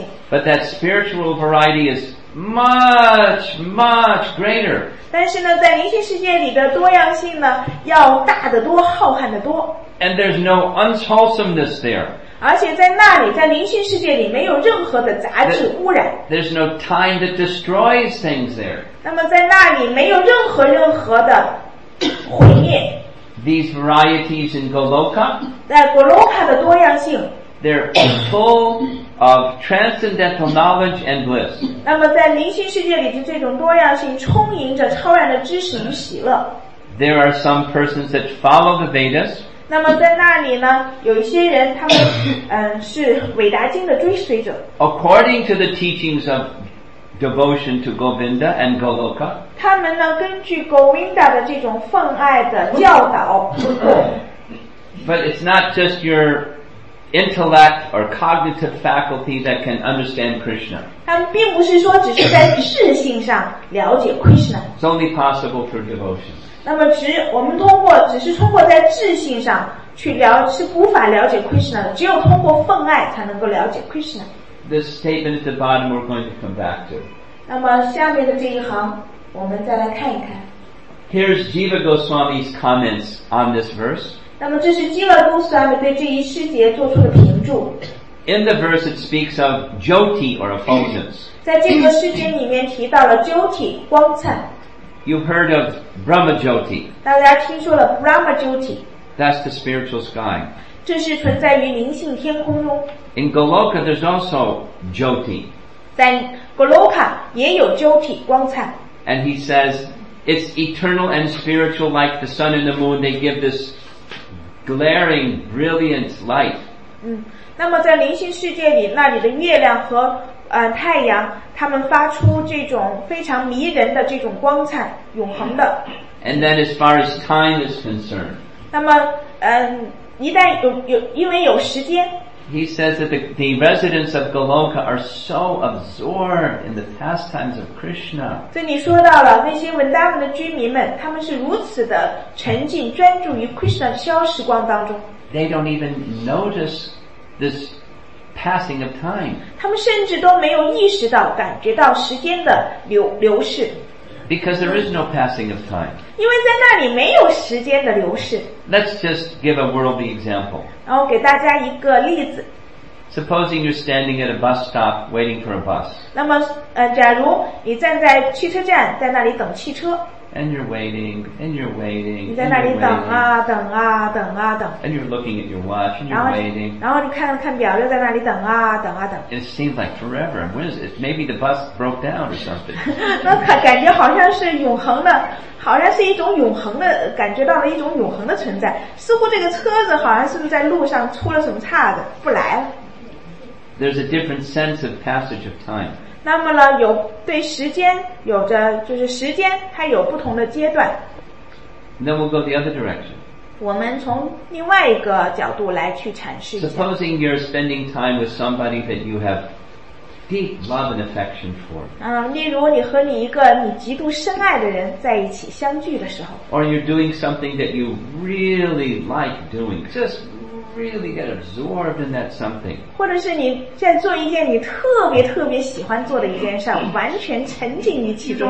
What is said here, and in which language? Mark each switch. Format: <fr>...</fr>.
<en>But that spiritual variety is much, much greater.</en> <zh>但是呢，在灵性世界里的多样性呢，要大得多，浩瀚得多。</zh> <en>And there's no unwholesomeness there.</en> <zh>而且在那里，在灵性世界里没有任何的杂质污染。</zh> <en>There's no time that destroys things there.</en> <zh>那么在那里没有任何的毁灭。</zh> <en>These varieties in Goloka.</en> <zh>在 Goloka 的多样性。</zh> <en>They're full of transcendental knowledge and bliss.</en> <zh>那么在灵性世界里的这种多样性充盈着超然的知识与喜乐。</zh> <en>There are some persons that follow the Vedas.</en> <zh>那么在那里呢，有一些人他们是伟达经的追随者。</zh> <en>According to the teachings of devotion to Govinda and Goloka.</en> <zh>他们呢，根据 Govinda 的这种奉爱的教导。</zh> <en>But it's not just your intellect or cognitive faculty that can understand Krishna.</en> <zh>他们并不是说只是在智性上了解 Krishna.</zh> <en>It's only possible through devotion.</en> <zh>那么只是通过在智性上去了解是无法了解 Krishna， 只有通过奉爱才能够了解 Krishna.</zh> <en>This statement at the bottom we're going to come back to.</en> <zh>那么下面的这一行我们再来看一看。</zh> <en>Here's Jiva Goswami's comments on this verse.</en> <zh>那么这是基瓦公司他们对这一诗节做出的评注。</zh> <en>In the verse it speaks of jyoti or effulgence.</en> <zh>在这个诗节里面提到了 jyoti 光灿。</zh> <en>You've heard of Brahma jyoti.</en> <zh>大家听说了 Brahma jyoti.</zh> <en>That's the spiritual sky.</en> <zh>这是存在于灵性天空中。</zh> <en>In Goloka there's also jyoti.</en> <zh>在 Goloka 也有 jyoti 光灿。</zh> <en>And he says it's eternal and spiritual like the sun and the moon. They give this. Glaring, brilliant light.</en> <zh>那么在灵性世界里，那里的月亮和太阳，它们发出这种非常迷人的这种光彩，永恒的。</zh> <en>And then, as far as time is concerned.</en> <zh>那么，一旦因为有时间。</zh> <en>He says that the residents of Goloka are so absorbed in the pastimes of Krishna.</en> <zh>这里说到了那些文达文的居民们，他们是如此的沉浸专注于 Krishna 的消时光当中。</zh> <en>They don't even notice this passing of time.</en> <zh>他们甚至都没有意识到感觉到时间的流逝。</zh> <en>Because there is no passing of time.</en> <zh>因为在那里没有时间的流逝。</zh> <en>Let's just give a worldly example.</en> <zh>然后给大家一个例子。</zh> <en>Supposing you're standing at a bus stop waiting for a bus.</en> <zh>那么假如你站在汽车站在那里等汽车。</zh> <en>And you're waiting, and you're waiting.</en> <zh>你在那里等啊等啊等啊等。</zh> <en>And you're looking at your watch, and you're waiting.</en> <zh>然后你看了看表又在那里等啊等啊等。</zh> <en>It seems like forever. What is it? Maybe the bus broke down or something.</en> <zh>那感觉好像是永恒的，好像是一种永恒的，感觉到了一种永恒的存在。似乎这个车子好像是不是在路上出了什么岔子，不来了。</zh> <en>there's a different sense of passage of time.</en> <zh>那么呢，有对时间有着，就是时间它有不同的阶段。</zh> <en>Then we'll go the other direction.</en> <zh>我们从另外一个角度来去阐释一下。</zh> <en>Supposing you're spending time with somebody that you have deep love and affection for.</en> <zh>例如你和你一个你极度深爱的人在一起相聚的时候。</zh> <en>Or you're doing something that you really like doing. Just really get absorbed in that something.</en> <zh>或者是你在做一件你特别特别喜欢做的一件事，完全沉浸于其中。</zh>